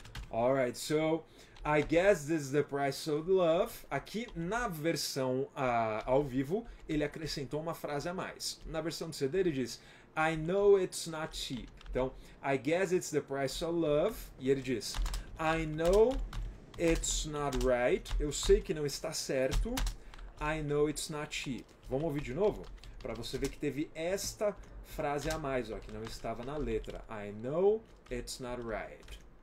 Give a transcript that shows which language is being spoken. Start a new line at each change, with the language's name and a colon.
English: Alright, so I guess this is the price of love.
Portuguese: Aqui na versão ao vivo, ele acrescentou uma frase a mais. Na versão do CD, ele diz: I know it's not cheap.
English: Então, I guess it's the price of love. E ele diz: I know it's not right.
Portuguese: Eu sei que não está certo. I know it's not cheap. Vamos ouvir de novo? Para você ver que teve esta frase a mais, ó, que não estava na letra.
English: I know it's not right.